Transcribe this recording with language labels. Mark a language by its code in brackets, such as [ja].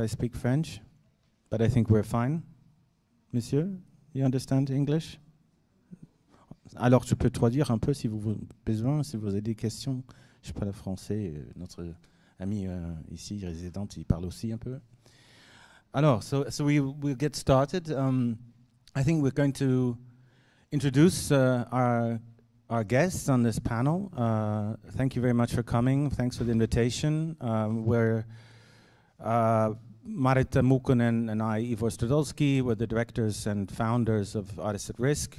[en] I speak French, but I think we're fine. Monsieur, you understand English? [fr] Alors, je peux traduire un peu si vous avez besoin, si vous avez des questions. Je parle français, notre ami ici résidente, il parle aussi un peu. [en] Alors, so we'll get started. I think we're going to introduce our guests on this panel. Thank you very much for coming. Thanks for the invitation. Marita Muukkonen and I, Ivor Stodolsky, were the directors and founders of Artists at Risk.